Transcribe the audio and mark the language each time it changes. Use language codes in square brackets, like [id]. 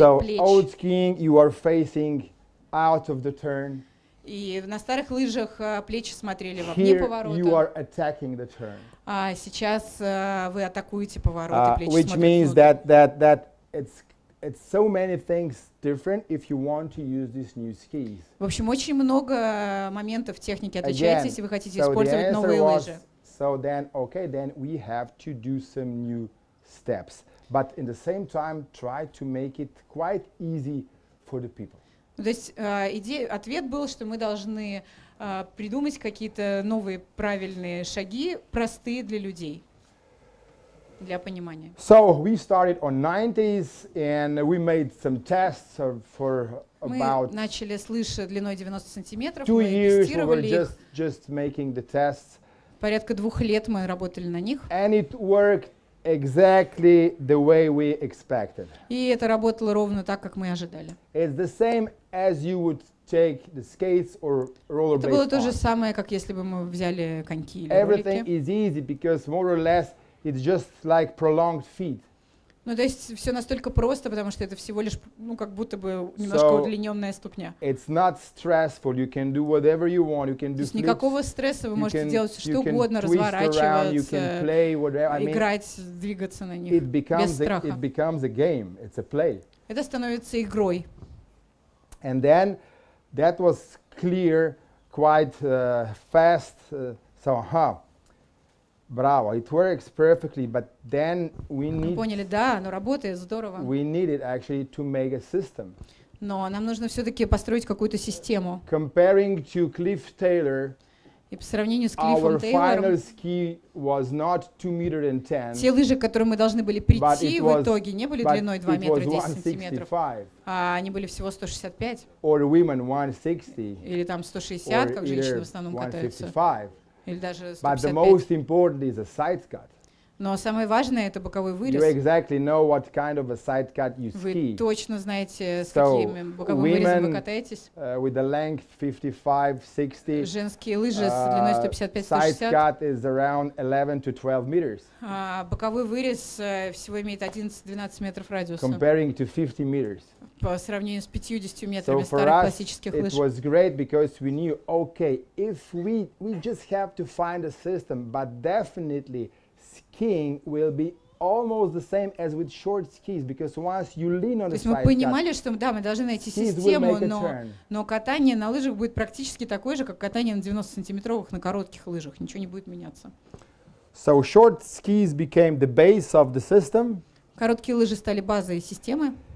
[en] So old skiing, you are facing out of the turn. [ru] И на старых лыжах плечи смотрели вовне [en] Here [ru] поворота. [en] You are attacking the turn. [ru] А сейчас вы атакуете повороты, [en] Which means that it's so many things different if you want to use these new skis. [ru] В общем, очень много моментов техники отличается, если вы хотите использовать новые лыжи. [en] So then, okay, then we have to do some new steps. But in the same time, try to make it quite easy for the people. [ru] То есть идея, ответ был, что мы должны придумать какие-то новые правильные шаги, простые для людей, для понимания. [en] So we started on 90s, and we made some tests for about [ru] мы начали с лыж длиной 90 сантиметров, [en] two [ru] мы [en] years, [ru] тестировали [en] we were [ru] их. [en] Just making the tests. [ru] Порядка двух лет мы работали на них. [en] And it worked exactly the way we expected. [ru] И это работало ровно так, как мы ожидали. [en] It's the same as you would take the skates or rollerblades. [ru] Это было то же самое, как если бы мы взяли коньки или ролики. [en] Everything is easy because more or less it's just like prolonged feet. [ru] Ну то есть все настолько просто, потому что это всего лишь, ну как будто бы немножко [en] so [ru] удлиненная ступня. [en] It's not stressful. You can do whatever you want. You can do. [ru] То есть никакого стресса, вы можете делать все что угодно, разворачиваться, играть, двигаться на них без страха. [en] It becomes a game. It's a play. [ru] Это становится игрой. [en] And then that was clear quite fast. [ru] Браво, [en] it works perfectly, but then we need. [ru] Мы поняли, да, оно работает, здорово. [en] We need it actually to make a system. [ru] Но нам нужно все-таки построить какую-то систему. [en] Comparing to Cliff Taylor. [ru] И по сравнению с Клиффом [en] our [ru] Тейлором. [en] Our final ski was not 2.10 meters. [ru] Те лыжи, к которым мы должны были прийти в итоге, не были длиной 2 метра 10 сантиметров. А они были всего 165. [en] Or women 160. [ru] Или там 160, как женщины в основном [en] 155. [ru] Катаются. [en] But the most important is a side cut. [ru] Но самое важное это боковой вырез. [en] You exactly know what kind of a side cut you ski. [ru] Вы точно знаете, с каким боковым вырезом вы катаетесь. [en] With the length 55-60. [ru] Женские лыжи с длиной 155-160. [en] Side cut is around 11 to 12 meters. [ru] Боковой вырез всего имеет 11-12 метров радиуса. [en] Comparing to 50 meters. [ru] По сравнению с 50 метрами старых классических лыж. [en] It was great because we knew, okay, if we just have to find a system, but definitely skiing will be almost the same as with short skis, because once you lean on the side cut, [ru] то есть мы понимали, что да, мы должны найти систему, но катание на лыжах будет практически такое же, как катание на 90-сантиметровых на коротких лыжах. Ничего не будет меняться. [en] So short skis became the base of the system. [ru] Короткие лыжи стали базой системы.